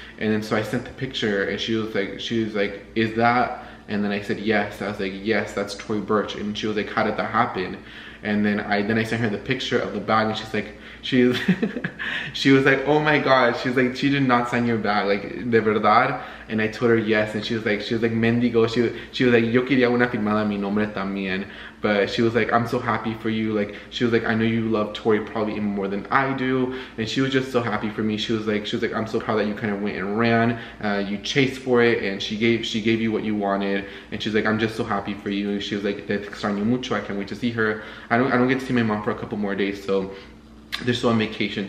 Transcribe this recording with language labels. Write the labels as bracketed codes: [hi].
[en] And then so I sent the picture, and she was like, is that? And then I said, yes. I was like, yes, that's Tory Burch. And she was like, how did that happen? And then I sent her the picture of the bag, and she was like, oh my god. She's like, she did not sign your bag, like, [es] de verdad. [en] And I told her yes, and she was like mendigo. She was like, [es] yo quería una firmada mi nombre también. [en] But she was like, I'm so happy for you. Like, she was like, I know you love Tory probably even more than I do. And she was just so happy for me. She was like, I'm so proud that you kind of went and ran. You chased for it, and she gave you what you wanted. And she's like, I'm just so happy for you. She was like, [es] te extraño mucho. [en] I can't wait to see her. I don't get to see my mom for a couple more days, so they're still on vacation.